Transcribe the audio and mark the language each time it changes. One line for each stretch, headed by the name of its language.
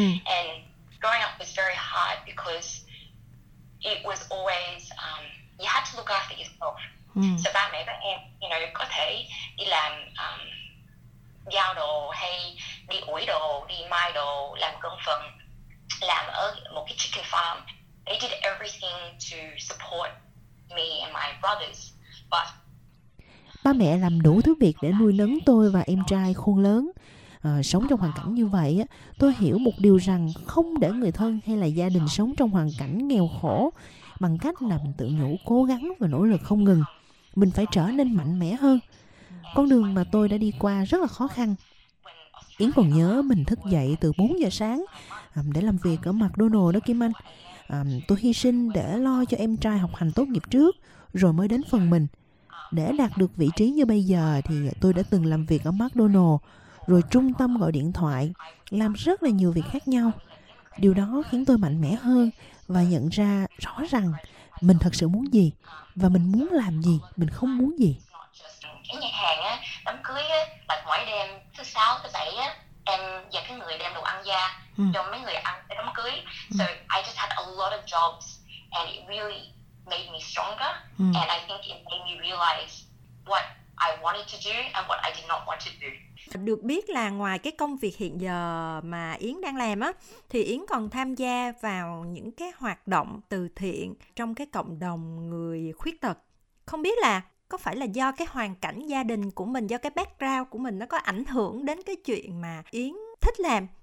English: And growing up was very hard because it was always you had to look after yourself. So
Vietnamese: ba mẹ các em,
English: you know,
Vietnamese: có thể đi làm giao đồ hay đi ủi đồ, đi mai đồ, làm cơm phần, làm ở một cái
English: chicken farm. They did everything to support me and my brothers. But
Vietnamese: ba mẹ làm đủ thứ việc để nuôi nấng tôi và em trai khôn lớn. Sống trong hoàn cảnh như vậy, tôi hiểu một điều rằng không để người thân hay là gia đình sống trong hoàn cảnh nghèo khổ bằng cách là mình tự nhủ cố gắng và nỗ lực không ngừng. Mình phải trở nên mạnh mẽ hơn. Con đường mà tôi đã đi qua rất là khó khăn. Yến còn nhớ mình thức dậy từ 4 giờ sáng để làm việc ở McDonald's đó Kim Anh. Tôi hy sinh để lo cho em trai học hành tốt nghiệp trước, rồi mới đến phần mình. Để đạt được vị trí như bây giờ thì tôi đã từng làm việc ở McDonald's, rồi trung tâm gọi điện thoại, làm rất là nhiều việc khác nhau. Điều đó khiến tôi mạnh mẽ hơn và nhận ra rõ rằng mình thật sự muốn gì và mình muốn làm gì, mình không muốn gì. Cái nhà hàng á, đám cưới á, là mỗi đêm thứ 6, thứ 7 á, em và cái người đem đồ ăn ra cho mấy người ăn để đám cưới.
English: So I just had a lot of jobs and it really made me stronger. And I think it made me realize what I wanted to do and what I did not want to do.
Vietnamese: Được biết là ngoài cái công việc hiện giờ mà Yến đang làm á, thì Yến còn tham gia vào những cái hoạt động từ thiện trong cái cộng đồng người khuyết tật. Không biết là có phải là do cái hoàn cảnh gia đình của mình, do cái background của mình nó có ảnh hưởng đến cái chuyện mà Yến thích làm